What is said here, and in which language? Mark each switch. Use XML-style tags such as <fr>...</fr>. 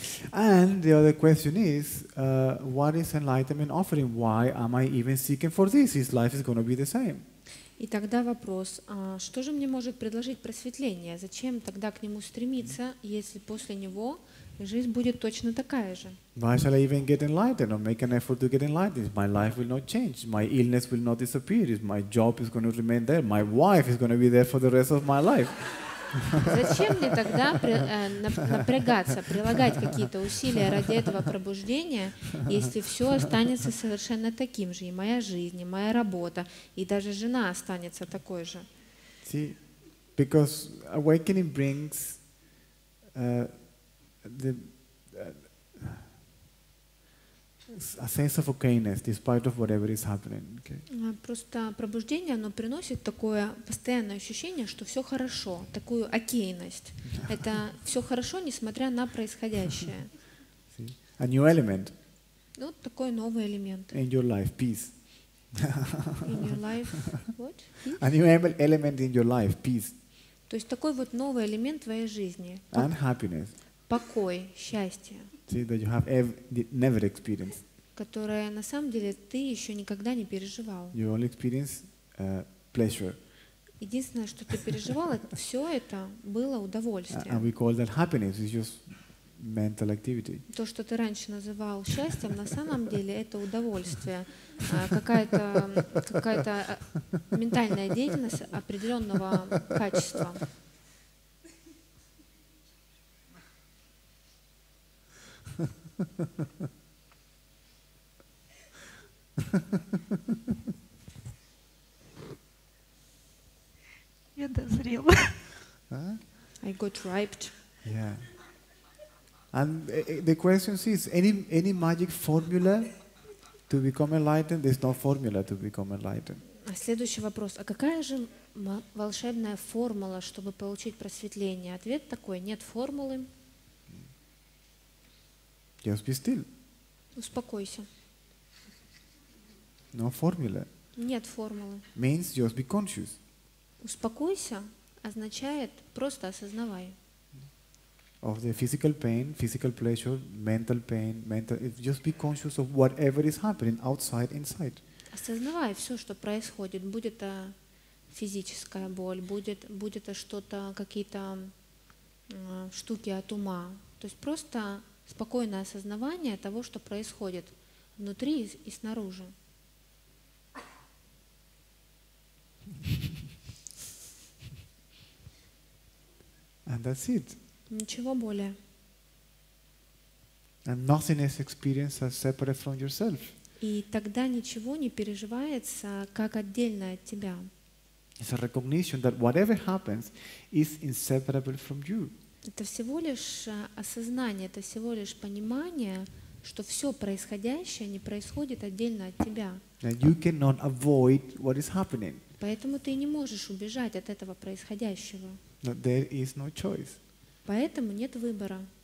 <en>And the other question is, what is enlightenment offering? Why am I even seeking for this? His life is going to be the same.</en> <ru>И тогда вопрос, что же мне может предложить просветление? Зачем тогда к нему стремиться, если после него жизнь будет точно такая же?</ru> <en>Why shall I even get enlightened or make an effort to get enlightened? My life will not change. My illness will not disappear. My job is going to remain there. My wife is going to be there for the rest of my life.</en> <ru>Зачем мне тогда напрягаться, прилагать какие-то усилия ради этого пробуждения, если все останется совершенно таким же, и моя жизнь, и моя работа, и даже жена останется такой же?</ru> <en>See, because awakening brings a sense of okayness, despite of whatever is happening. Okay.</en> <ru>Просто пробуждение, оно приносит такое постоянное ощущение, что все хорошо, такую окейность. Это все хорошо, несмотря на происходящее.</ru> <en>See? A new element.</en> <ru>Ну, такой новый элемент.</ru> <en>In your life, peace. In your life, what? Peace? A new element in your life, peace.</en> <ru>То есть такой вот новый элемент твоей жизни.</ru> <en>And happiness.</en> <ru>Покой, счастье.</ru> <en>See, that you have never experienced.</en> <ru>Которое на самом деле ты еще никогда не переживал.</ru> <en>You only experience, pleasure.</en> <ru>Единственное, что ты переживал, все это было удовольствие.</ru> <en>And we call that happiness. It's just mental activity.</en> <ru>То, что ты раньше называл счастьем, на самом деле это удовольствие. Какая-то ментальная деятельность определенного качества. Я дозрела.</ru> <en>I got ripe. Yeah. And the question is, any magic formula to become enlightened? There's no formula to become enlightened.</en> <ru>А следующий вопрос: а какая же волшебная формула, чтобы получить просветление? Ответ такой: нет формулы.</ru> <en>Just be still.</en> <ru>Успокойся.</ru> <en>No formula.</en> <ru>Нет формулы.</ru> <en>Means just be conscious.</en> <ru>Успокойся означает просто осознавай.</ru> <en>Of the physical pain, physical pleasure, mental pain, mental. Just be conscious of whatever is happening outside, inside.</en> <ru>Осознавай все, что происходит. Будет это физическая боль, будет это что-то, какие-то штуки от ума. То есть просто спокойное осознавание того, что происходит внутри и снаружи.</ru> <en>And that's it.</en> <ru>Ничего более.</ru> <en>And nothing is experienced as separate from yourself.</en> <ru>И тогда ничего не переживается как отдельно от тебя.</ru> <en>It's a recognition that whatever happens is inseparable from you.</en> <ru>Это всего лишь осознание, это всего лишь понимание, что все происходящее не происходит отдельно от тебя.</ru> <en>And you cannot avoid what is happening.</en> <ru>Поэтому ты не можешь убежать от этого происходящего.</ru> <en>But there is no choice.</en> <ru>Поэтому нет выбора.</ru>